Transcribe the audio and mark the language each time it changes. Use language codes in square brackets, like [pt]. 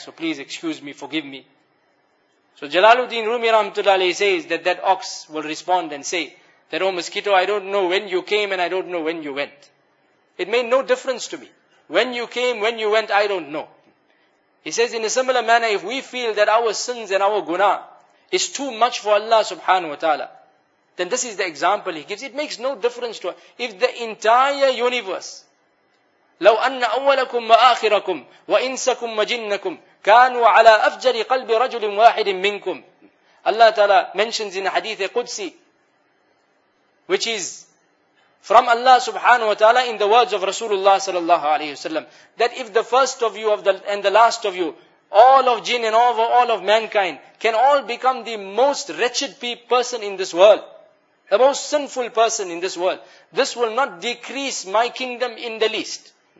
[en] So please excuse me, forgive me. So Jalaluddin Rumi Rahmatullah says that that ox will respond and say, that oh mosquito, I don't know when you came and I don't know when you went. It made no difference to me. When you came, when you went, I don't know. He says in a similar manner, if we feel that our sins and our guna is too much for Allah subhanahu wa ta'ala, then this is the example he gives. It makes no difference to us. If the entire universe, [ar] لَوْ أَنَّ أَوَّلَكُمْ وَآخِرَكُمْ وَإِنسَكُمْ وَجِنَّكُمْ كَانُوا عَلَىٰ أَفْجَرِ قَلْبِ رَجُلٍ وَاحِدٍ مِّنْكُمْ. [en] Allah ta'ala mentions in a hadith a Qudsi, which is from Allah subhanahu wa ta'ala in the words of Rasulullah sallallahu alayhi wa sallam, that if the first of you and the last of you, all of jinn and all of mankind, can all become the most wretched person in this world, the most sinful person in this world, this will not decrease my kingdom in the least.